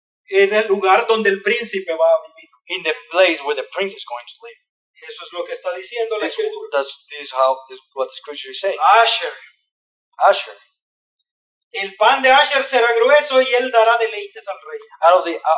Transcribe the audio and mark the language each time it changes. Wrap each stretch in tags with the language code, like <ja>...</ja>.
<es>En el lugar donde el príncipe va a vivir.</es> <en>In the place where the prince is going to live.</en> <es>Eso es lo que está diciendo la escritura.</es> <en>This is what the scripture is saying.</en> <es>Asher.</es> <en>Asher.</en> <es>El pan de Asher será grueso y él dará deleites al rey.</es>